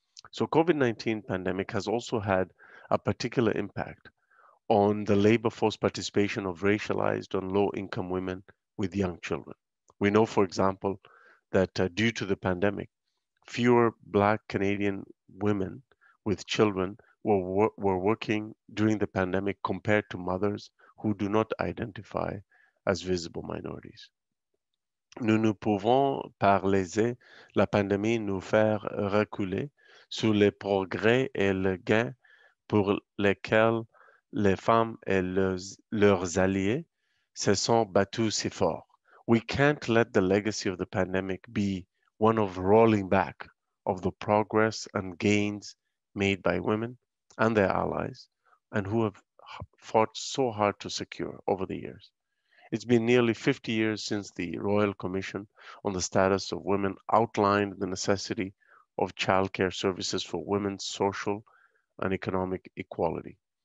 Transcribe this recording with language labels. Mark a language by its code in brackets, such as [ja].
[en] So COVID-19 pandemic has also had a particular impact on the labor force participation of racialized and low-income women with young children. We know, for example, that due to the pandemic, fewer Black Canadian women with children were working during the pandemic compared to mothers who do not identify as visible minorities. [fr] Nous ne pouvons pas laisser la pandémie nous faire reculer sur les progrès et les gains pour lesquels les femmes et leurs alliés se sont battus si fort. [en] We can't let the legacy of the pandemic be one of rolling back of the progress and gains made by women and their allies and who have fought so hard to secure over the years. It's been nearly 50 years since the Royal Commission on the Status of Women outlined the necessity of childcare services for women's social and economic equality.